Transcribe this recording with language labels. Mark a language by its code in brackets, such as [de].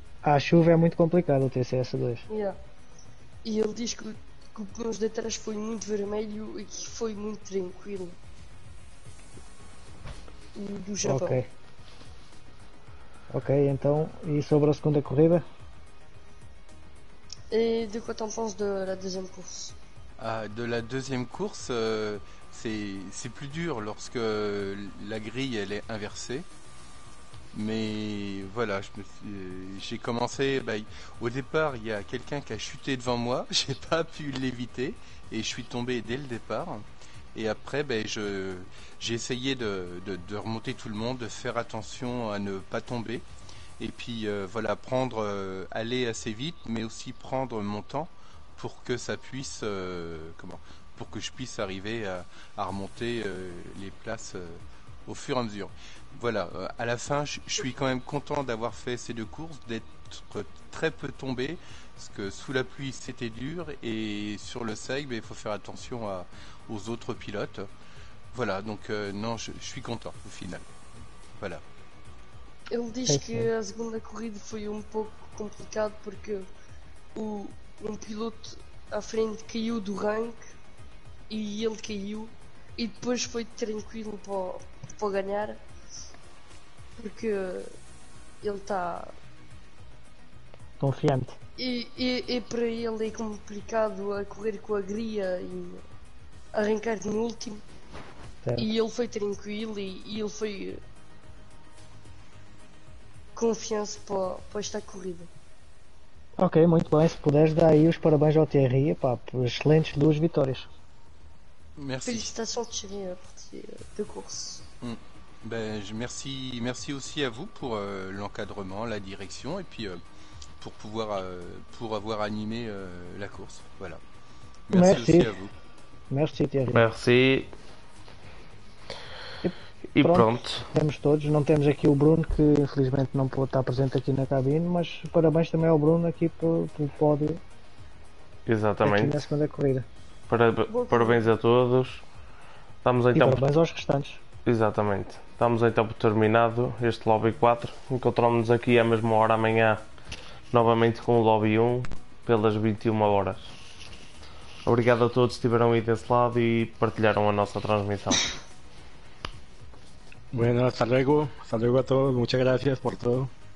[pt] A chuva é muito complicada o TCS2. [en] Yeah. [pt] E ele diz que o pneu de trás foi muito vermelho e que foi muito tranquilo. O do Japão. Ok. Ok, então, e sobre a segunda corrida? [fr] E de quoi t'en penses de la deuxième course? Ah, de la deuxième course, c'est plus dur lorsque la grille elle est inversée. Mais voilà, j'ai commencé. Bah, au départ, il y a quelqu'un qui a chuté devant moi, j'ai pas pu l'éviter et je suis tombé dès le départ. Et après, j'ai essayé de remonter tout le monde, de faire attention à ne pas tomber. Et puis aller assez vite, mais aussi prendre mon temps pour que ça puisse, pour que je puisse arriver à remonter les places au fur et à mesure. Voilà, à la fin, je suis quand même content d'avoir fait ces deux courses, d'être très peu tombé, parce que sous la pluie c'était dur, et sur le sec, il faut faire attention aux autres pilotes. Voilà, donc je suis content au final. Voilà. [pt] Ele diz que a segunda corrida foi um pouco complicado porque um piloto à frente caiu do rank e ele caiu e depois foi tranquilo para ganhar porque ele está confiante e para ele é complicado a correr com a gria e arrancar no último certo. E ele foi tranquilo e ele foi confiança para esta corrida. Ok, muito bem. Se puderes dar aí os parabéns ao Thierry, pá, por excelentes duas vitórias. [fr] Merci. Félicitations, Thierry, pour tes courses. Merci aussi à vous pour l'encadrement, la direction et puis pour avoir animé la course. Voilà. Merci aussi à vous. Merci, Thierry. Merci. [pt] E pronto. Temos todos, não temos aqui o Bruno que infelizmente não pôde estar presente aqui na cabine, mas parabéns também ao Bruno aqui pelo pódio. Exatamente. Aqui na segunda corrida. Parabéns a todos. Estamos então e parabéns aos restantes. Exatamente. Estamos então por terminado este Lobby 4. Encontramos-nos aqui à mesma hora amanhã novamente com o Lobby 1 pelas 21 horas. Obrigado a todos que estiveram aí desse lado e partilharam a nossa transmissão. [es] Bueno, hasta luego a todos, muchas gracias por todo.